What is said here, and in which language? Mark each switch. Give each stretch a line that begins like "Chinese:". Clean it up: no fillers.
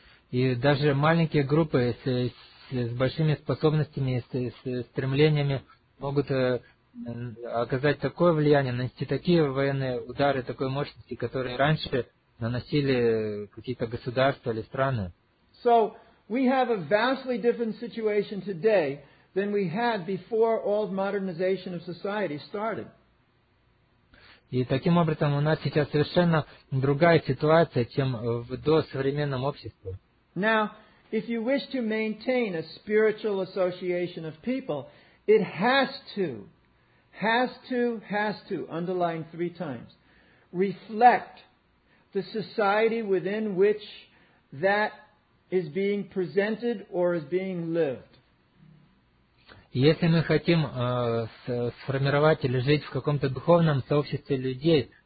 Russian: И даже маленькие группы с большими способностями, с стремлениями могут оказать такое влияние, нанести такие военные удары такой мощности, которые раньше наносили какие-то государства или страны.
English: So we have a vastly different situation today than we had before all modernization of society started.
Russian: И таким образом у нас сейчас совершенно другая ситуация, чем в досовременном обществе.
English: Now, if you wish to maintain a spiritual association of people, it has to, underline three times, reflect the society within which that is being presented or is being lived.
Russian: Если мы хотим сформировать или жить в каком-то духовном сообществе людей,